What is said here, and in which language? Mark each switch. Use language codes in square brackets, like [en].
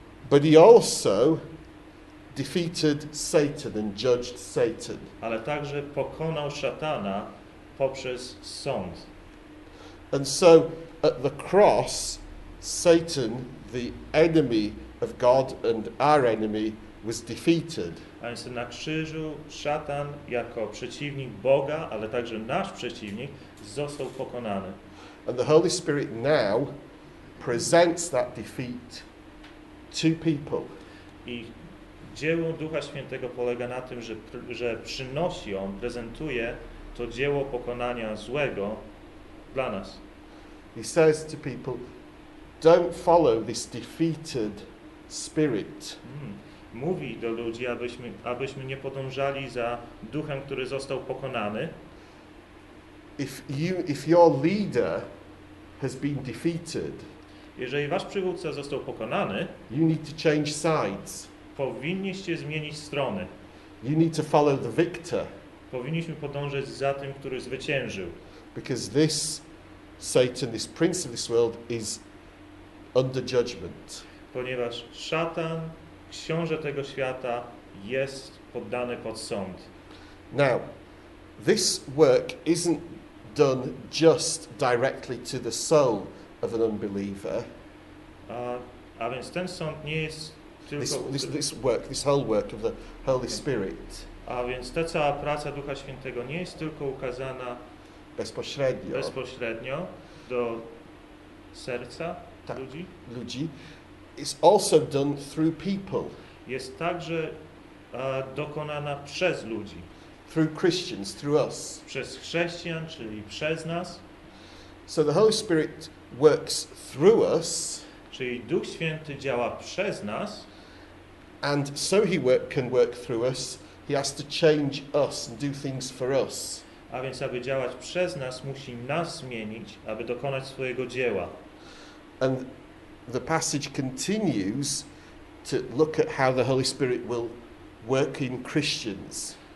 [en] But he also defeated Satan and judged Satan. [pl] Ale także pokonał szatana poprzez sąd. [en] And so at the cross, Satan, the enemy of God and our enemy, was defeated. [pl] A więc na krzyżu szatan jako przeciwnik Boga, ale także nasz przeciwnik, został pokonany. [en] And the Holy Spirit now presents that defeat to people. [pl] I dzieło Ducha Świętego polega na tym, że przynosi, on prezentuje to dzieło pokonania złego dla nas. [en] He says to people, don't follow this defeated spirit. [pl] Mówi do ludzi, abyśmy nie podążali za duchem, który został pokonany. [en] If your leader has been defeated, [pl] jeżeli wasz przywódca został pokonany, [en] you need to change sides. [pl] Powinniście zmienić strony. [en] You need to follow the victor. [pl] Powinniśmy podążać za tym, który zwyciężył. [en] Because this Satan, this prince of this world, is under judgment. [pl] Ponieważ szatan, książę tego świata, jest poddany pod sąd. [en] Now, this work isn't done just directly to the soul of an unbeliever. [pl] A więc ten sąd nie jest tylko [en] this whole work of the Holy Spirit. [pl] A więc ta cała praca Ducha Świętego nie jest tylko ukazana bezpośrednio do serca ludzi. [en] It's also done through people. [pl] Jest także dokonana przez ludzi. [en] Through Christians, through us. [pl] Przez chrześcijan, czyli przez nas. [en] So the Holy Spirit works through us. [pl] Czyli Duch Święty działa przez nas. [en] And so he can work through us. He has to change us and do things for us. [pl] A więc aby działać przez nas, musi nas zmienić, aby dokonać swojego dzieła. [en] And the passage continues to look at how the Holy Spirit will work in Christians.